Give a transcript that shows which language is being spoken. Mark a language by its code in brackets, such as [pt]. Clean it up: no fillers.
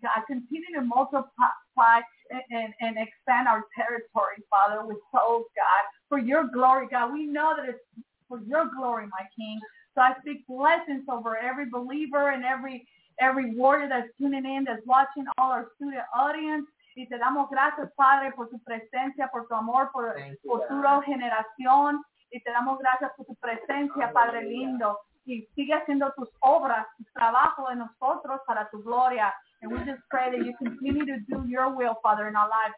[en] God, continue to multiply and expand our territory, Father, with souls, God, for your glory, God. We know that it's for your glory, my King. So I speak blessings over every believer and every warrior that's tuning in, that's watching, all our studio audience. [es] Y te damos gracias, Padre, por tu presencia, por tu amor, por futuro generación. Y te damos gracias por tu presencia, Padre lindo. Y sigue haciendo tus obras, tu trabajo en nosotros para tu gloria. [en] And we just pray that you continue to do your will, Father, in our lives.